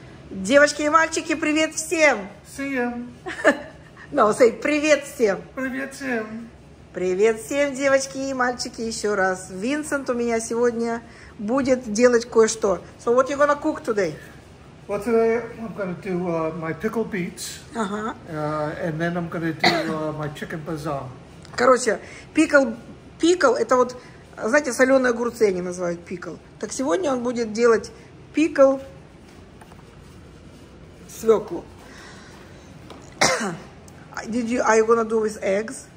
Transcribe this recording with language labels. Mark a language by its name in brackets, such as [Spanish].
[Russian] Девочки и мальчики, привет всем! Всем! [English] No, say [Russian] привет всем! Привет всем! Привет всем, девочки и мальчики, еще раз. Винсент у меня сегодня будет делать кое-что. [English] So what are you gonna cook today? Well, today I'm gonna do my pickled beets. And then I'm gonna do my chicken bazaar. [Russian] Короче, пикл это вот, знаете, соленые огурцы они называют пикл. Так сегодня он будет делать пикл свеклу. [English] Are you gonna do with eggs?